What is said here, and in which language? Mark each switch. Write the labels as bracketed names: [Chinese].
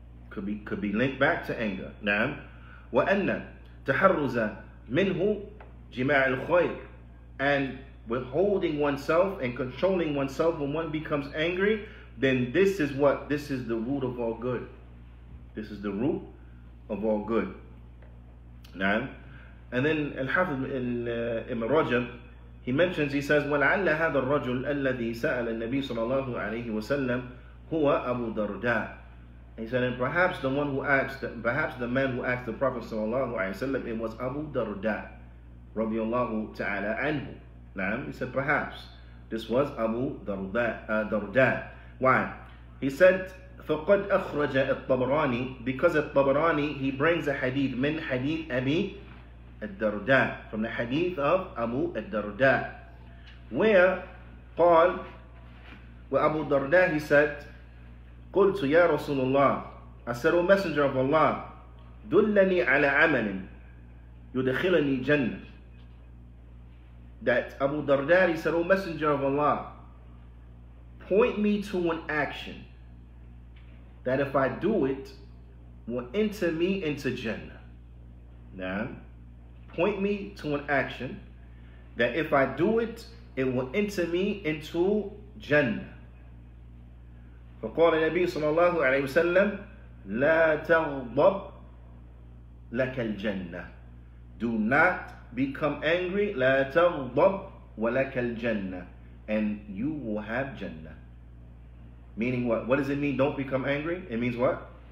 [English] Could be linked back to anger. Now, [Arabic] وَأَنَّ تَحَرُّزَ مِنْهُ جِمَاعِ الْخَيْرِ, [English] and withholding oneself and controlling oneself when one becomes angry, then this is what? This is the root of all good. This is the root of all good. [Arabic] نعم. [English] And then Al-Hafiz Ibn Rajab, he mentions, he says, [Arabic] وَلَعَلَّ هَذَا الرَّجُلُ الَّذِي سَأَلَ النَّبِيُّ صَلَى اللَّهُ عَلَيْهِ وَسَلَّمَ هُوَ أَبُو دَرْدَى. [English] He said, and perhaps the one who asked, perhaps the man who asked the Prophet صلى الله عليه وسلم, it was Abu Darda رضي الله تعالى عنه. [Arabic] نعم. [English] He said, perhaps this was Abu Darda. Why? He said, [Arabic] فَقَدْ أَخْرَجَ الطَّبْرَانِي, [English] because الطَّبْرَانِي, he brings a hadith, [Arabic] مِنْ حَدِيثِ أَبِي الدَّرْدَى, [English] from the hadith of Abu الدَّرْدَى, where قال, where Abu الدَّرْدَى, he said, [Arabic] قُلْتُ يَا رَسُولُ اللَّهِ, [English] I said, O Messenger of Allah, [Arabic] دُلَّنِي عَلَى عَمَلٍ يُدَخِلَنِي جَنَّةٍ. [English] That Abu الدَّرْدَى, he said, O Messenger of Allah, point me to an action that if I do it, will enter me into Jannah. Now, point me to an action that if I do it, it will enter me into Jannah. [Arabic] فَقَالَ النَّبِيُّ صَلَى اللَّهُ عَلَيْهِ وَسَلَّمُ لَا تَغْضَبْ لَكَ الْجَنَّةِ. [English] Do not become angry. [Arabic] لَا تَغْضَبْ وَلَكَ الْجَنَّةِ. [English] and you will have Jannah. Meaning what? What does it mean, don't become angry? It means what?